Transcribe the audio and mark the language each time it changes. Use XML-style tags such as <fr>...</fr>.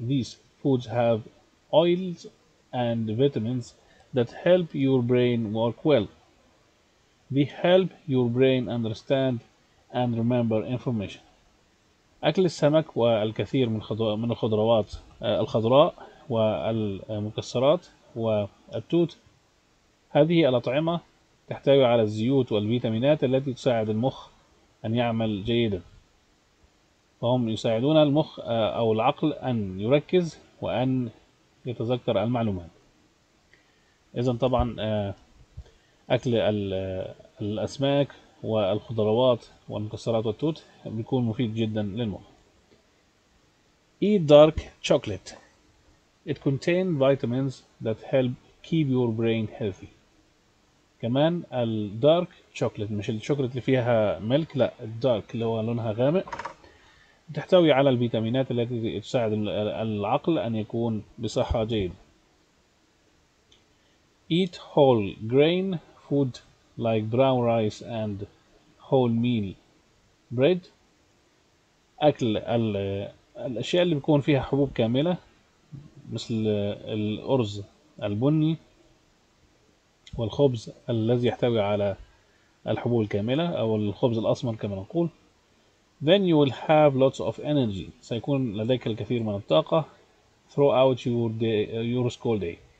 <en>These foods have oils and vitamins that help your brain work well. They help your brain understand and remember information.</en> <ar>أكل السمك والكثير من الخضروات الخضراء والمكسرات والتوت، هذه الأطعمة تحتوي على الزيوت والفيتامينات التي تساعد المخ أن يعمل جيدا. فهم يساعدون المخ أو العقل أن يركز وأن يتذكر المعلومات. إذن طبعا أكل الأسماك والخضروات والمكسرات والتوت بيكون مفيد جدا للمخ.</ar> <en>Eat dark chocolate. It contains vitamins that help keep your brain healthy.</en> <ar>كمان الدارك chocolate، مش الشوكولات اللي فيها ملك، لا الدارك اللي هو لونها غامق، تحتوي على الفيتامينات التي تساعد العقل أن يكون بصحة جيدة.</ar> <en>Eat whole grain food like brown rice and wholemeal bread.</en> <ar>أكل الأشياء اللي بيكون فيها حبوب كاملة مثل الأرز البني والخبز الذي يحتوي على الحبوب الكاملة أو الخبز الأسمر كما نقول.</ar> <en>Then you will have lots of energy.</en> <ar>سيكون لديك الكثير من الطاقة</ar> <en>throughout your school day.</en>